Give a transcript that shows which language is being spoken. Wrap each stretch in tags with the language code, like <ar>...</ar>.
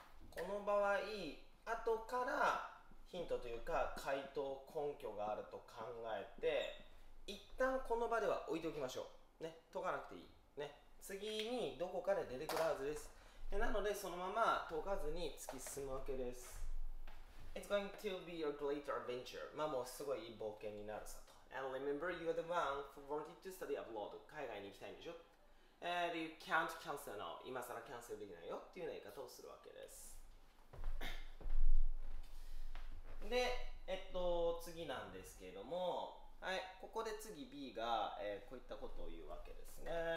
<ja>この場合、後からヒントというか回答根拠があると考えて、一旦この場では置いておきましょうね。解かなくていいね。次にどこかで出てくるはずです。なので、そのまま解かずに突き進むわけです。</ja> <en>It's going to be a great adventure.</en> <ja>まあもうすごいいい冒険になるさと。</ja> <en>And remember, you're the one who wanted to study abroad.</en> <ja>海外に行きたいんでしょ。</ja> <en>You can't cancel now.</en> <ja>今更キャンセルできないよっていうような言い方をするわけです。で、次なんですけれども、はい、ここで次 B が、こういったことを言うわけですね。</ja>